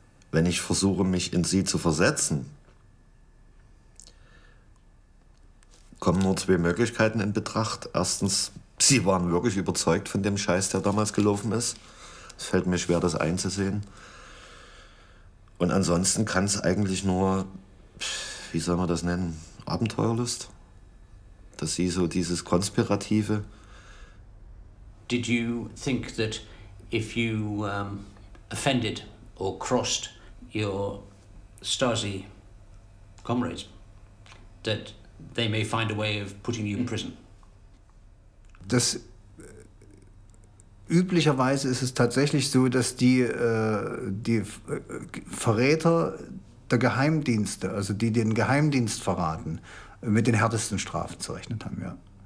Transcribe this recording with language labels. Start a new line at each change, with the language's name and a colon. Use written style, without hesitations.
German: Wenn ich versuche, mich in sie zu versetzen, kommen nur zwei Möglichkeiten in Betracht. Erstens, sie waren wirklich überzeugt von dem Scheiß, der damals gelaufen ist. Es fällt mir schwer, das einzusehen. Und ansonsten kann es eigentlich nur, wie soll man das nennen, Abenteuerlust. Dass sie so dieses Konspirative...
English: Did you think that if you offended or crossed your Stasi comrades, that they may find a way of putting you in prison?
German: Das üblicherweise ist es tatsächlich so, dass die Verräter der Geheimdienste, also die den Geheimdienst verraten, mit den härtesten Strafen zu rechnen haben, ja.